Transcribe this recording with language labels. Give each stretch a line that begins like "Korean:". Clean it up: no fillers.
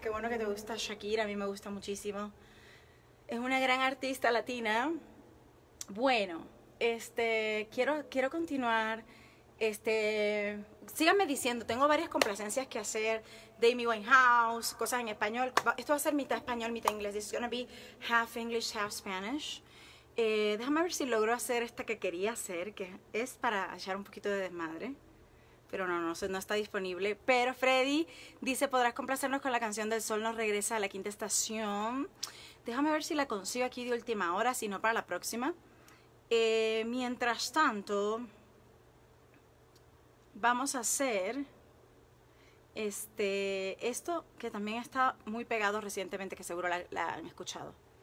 Spanish: Qué bueno que te gusta Shakira, a mí me gusta muchísimo. Es una gran artista latina. Bueno, quiero continuar. Síganme diciendo, tengo varias complacencias que hacer. De Amy Winehouse, cosas en español. Esto va a ser mitad español, mitad inglés.
English: This is gonna be half English, half Spanish.
Spanish: Déjame ver si logro hacer esta que quería hacer, que es para echar un poquito de desmadre. Pero no está disponible. Pero Freddy dice, ¿podrás complacernos con la canción del Sol nos regresa a la quinta estación? Déjame ver si la consigo aquí de última hora, si no para la próxima. Mientras tanto, vamos a hacer esto que también está muy pegado recientemente, que seguro la han escuchado.